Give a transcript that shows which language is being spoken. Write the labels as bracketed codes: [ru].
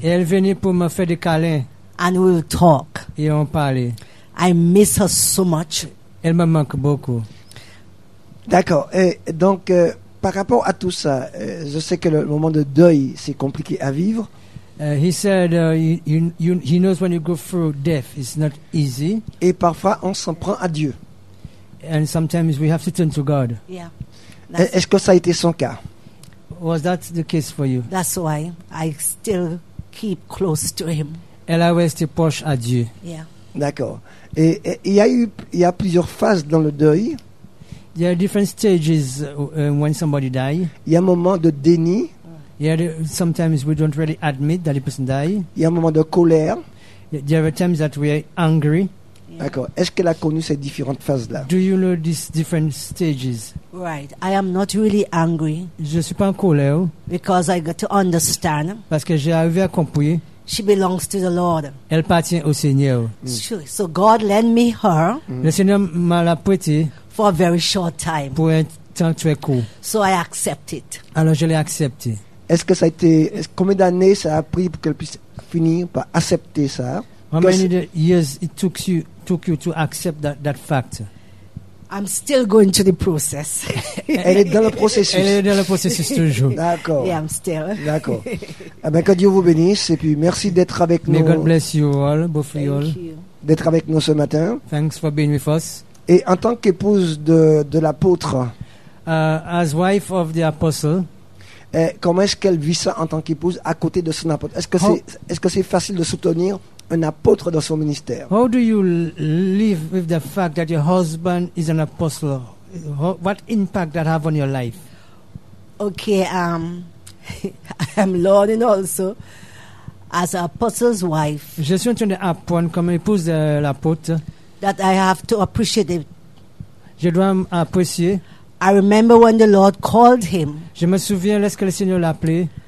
[fr] Et elle venait pour me faire des câlins. [en] And we'll talk. [fr] Et on parle. [en] I miss her so much. [fr] Elle me manque beaucoup. D'accord. Et donc, par rapport à tout ça, je sais que le moment de deuil, c'est compliqué à vivre. [en] He said he knows when you go through death, it's not easy. [fr] Et parfois, on s'en prend à Dieu. [en] And sometimes we have to turn to God. Yeah. [fr] Est-ce que ça a été son cas? [en] Was that the case for you? That's why I still keep close to him. [fr] Elle avait été proche à Dieu. [en] Yeah. [fr] D'accord. Et il y a plusieurs phases dans le deuil. [en] There are different stages when somebody die. [fr] Il y a un moment de déni. [en] Yeah, sometimes we don't really admit that a person die. [fr] Il y a un moment de colère. [en] There are times that we are angry. Yeah. [fr] D'accord. Est-ce qu'elle a connu ces différentes phases là? [en] Do you know these different stages? Right. I am not really angry. [fr] Je suis pas en colère. [en] Because I got to understand. [fr] Parce que j'ai arrivé à comprendre. [en] She belongs to the Lord. [fr] Elle appartient au Seigneur. [en] So God lent me her. [fr] Le Seigneur m'a la prêté. [en] For a very short time. [fr] Pour un temps très court. [en] So I accept it. [fr] Alors je l'ai accepté. Est-ce que ça a été combien d'années ça a pris pour qu'elle puisse finir par accepter ça? [en] How many years it took you to accept that fact? I'm still going through the process. [fr] Elle est dans le processus. Elle est dans le processus toujours. D'accord. [en] Yeah, I'm still. [fr] D'accord. Eh bien, que Dieu vous bénisse et puis merci d'être avec [en] May [fr] nous. [en] May God bless you all, both of you all. Thank you. [fr] D'être avec nous ce matin. [en] Thanks for being with us. [fr] Et en tant qu'épouse de l'apôtre. [en] As wife of the apostle. [fr] Comment est-ce qu'elle vit ça en tant qu'épouse à côté de son apôtre? Est-ce que c'est facile de soutenir un apôtre dans son ministère? [en] How do you live with the fact that your husband is an apostle? What impact that have on your life? Okay, I'm learning also as an apostle's wife. [fr] Je suis en train d'apprendre comme épouse de l'apôtre. [en] That I have to appreciate it. [fr] Je dois apprécier. [en] I remember when the Lord called him. [fr] Je me souviens lorsque le Seigneur l'a appelé.